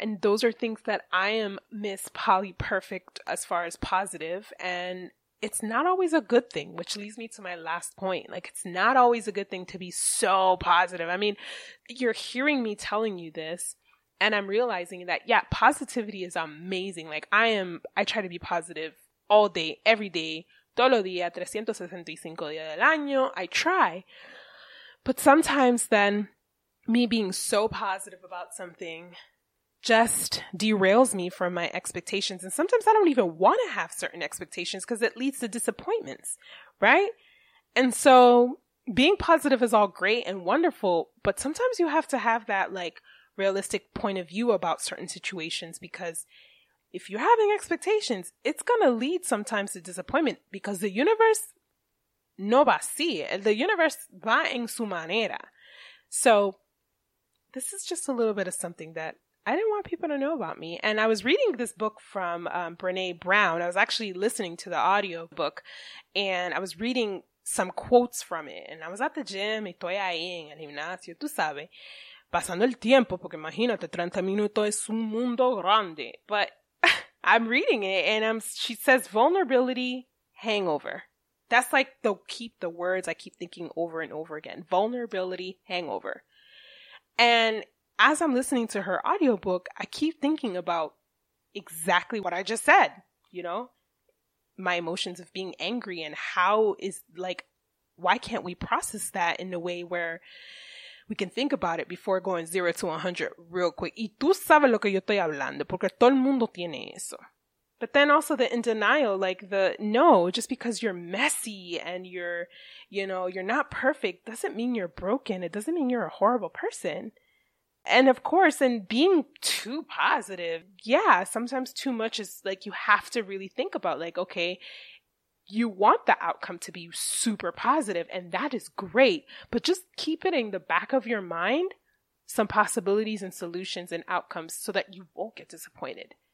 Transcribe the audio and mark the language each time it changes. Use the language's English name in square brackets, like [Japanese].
[English] And those are things that I am Miss Polly Perfect as far as positive. And it's not always a good thing, which leads me to my last point. Like, it's not always a good thing to be so positive. I mean, you're hearing me telling you this. And I'm realizing that, yeah, positivity is amazing. Like, I try to be positive all day, every day, [Spanish] todo día, 365 días del año. [English] I try. But sometimes then, me being so positive about something just derails me from my expectations. And sometimes I don't even want to have certain expectations because it leads to disappointments, right? And so being positive is all great and wonderful, but sometimes you have to have that, like, realistic point of view about certain situations, because if you're having expectations, it's going to lead sometimes to disappointment, because the universe [Spanish] no va así. [English] The universe [Spanish] va en su manera. [English] So this is just a little bit of something that I didn't want people to know about me. And I was reading this book from Brené Brown. I was actually listening to the audio book and I was reading some quotes from it. And I was at the gym, [Spanish] estoy ahí en el gimnasio, tú sabes. Pasando el tiempo, porque imagínate, 30 minutos es un mundo grande. [English] But I'm reading it, and she says, vulnerability hangover. That's like the words I keep thinking over and over again. Vulnerability hangover. And as I'm listening to her audiobook, I keep thinking about exactly what I just said. You know, my emotions of being angry, and how is, like, why can't we process that in a way where we can think about it before going 0 to 100 real quick. [Spanish] Y tú sabes lo que yo estoy hablando, porque todo el mundo tiene eso. [English] But then also the in denial, like the, no, just because you're messy and you're, you know, you're not perfect doesn't mean you're broken. It doesn't mean you're a horrible person. And of course, and being too positive, yeah, sometimes too much is like, you have to really think about, like, okay, you want the outcome to be super positive, and that is great, but just keep it in the back of your mind, some possibilities and solutions and outcomes, so that you won't get disappointed.